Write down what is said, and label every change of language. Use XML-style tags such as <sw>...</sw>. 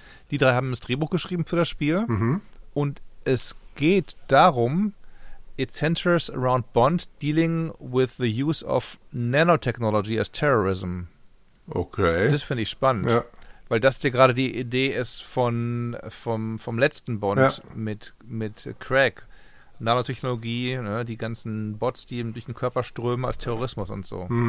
<de>Die drei haben das Drehbuch geschrieben für das Spiel. Und es geht darum,</de> <en>it centers around Bond dealing with the use of nanotechnology as terrorism.</en> <de>Okay. Das finde ich spannend. Ja. Weil das dir gerade die Idee ist vom letzten Bond mit Craig. Nanotechnologie, ne, die ganzen Bots, die durch den Körper strömen als Terrorismus und so.</de>